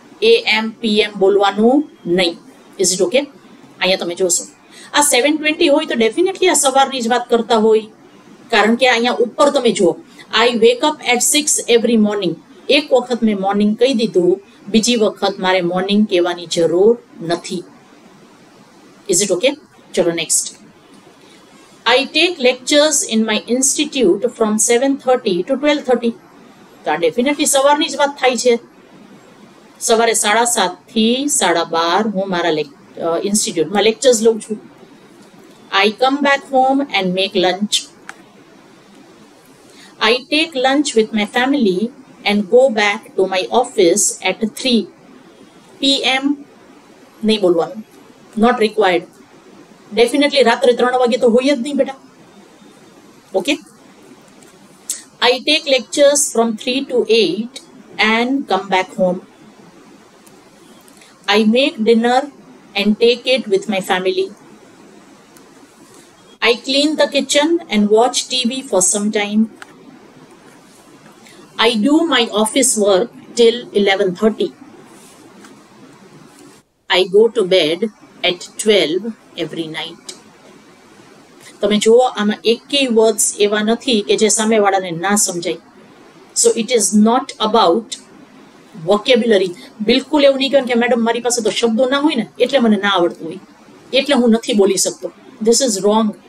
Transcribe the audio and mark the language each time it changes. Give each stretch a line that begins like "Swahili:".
Gujarati: AM, PM બોલવાનું નહીં.
English: Is it okay?
Gujarati: અહીંયા તમે જોશો, આ 7:20 હોય તો ડેફિનેટલી આ સવારની જ વાત કરતા હોય. કારણ કે અહીંયા ઉપર તમે જુઓ,
English: I wake up at 6 every morning.
Gujarati: એક વખત મેં મોર્નિંગ કહી દીધું, બીજી વખત મારે મોર્નિંગ કહેવાની જરૂર નથી.
English: Is it okay? Chalo, next. I take lectures in my institute from 7:30 to 12:30.
Gujarati: તો આ ડેફિનેટલી સવારની જ વાત થાય છે. સવારે 7:30 થી 12:30 હું મારા ઇન્સ્ટિટ્યૂટમાં લેક્ચર્સ લઉં છું.
English: I come back home and make lunch. I take lunch with my family and go back to my office at 3 PM.
Gujarati: નહીં બોલવાનું,
English: Not required.
Gujarati: ડેફિનેટલી રાત્રે 3 વાગે તો હોય જ નહીં બેટા. Okay.
English: I take lectures from 3 to 8 and come back home. I make dinner and take it with my family. I clean the kitchen and watch TV for some time. I do my office work till 11:30. I go to bed at 12 every night.
Gujarati: તમે જુઓ આમાં એકેય words એવા નથી કે જે સામેવાળાને ના સમજાય.
English: So it is not about vocabulary.
Gujarati: બિલકુલ એવું નહીં કહેવાય કે મેડમ મારી પાસે તો શબ્દો ના હોય ને એટલે મને ના આવડતું હોય એટલે હું નથી બોલી શકતો.
English: This is wrong.